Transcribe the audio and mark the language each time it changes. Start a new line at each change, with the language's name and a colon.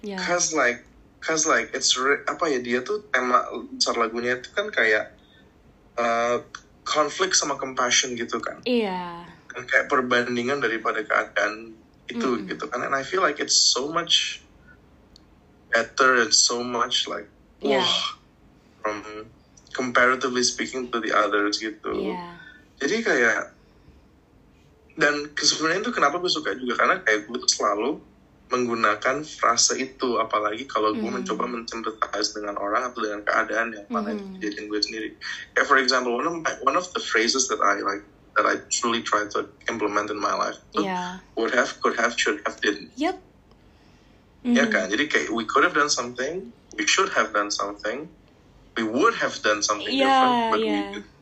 English: Cause like it's
Indonesian: apa ya dia tuh tema besar lagunya itu kan kayak
English: conflict sama compassion
Indonesian: gitu kan? Iya. Yeah. Kayak perbandingan daripada keadaan itu gitu kan,
English: and I feel like it's so much better and so much like wah from comparatively speaking to the others gitu.
Indonesian: Jadi kayak dan sebenarnya itu kenapa gue suka juga karena kayak gue tuh selalu menggunakan frase itu apalagi kalau gue mencoba mensympathize dengan orang atau dengan keadaan yang mana jadi gue sendiri.
English: Kayak for example one of the phrases that I like that I truly tried to implement in my life. Yeah. Would have, could have, should have, didn't. Yep.
Indonesian: Ya kan? Jadi kayak,
English: we could have done something, we should have done something, we would have done something different, but we didn't.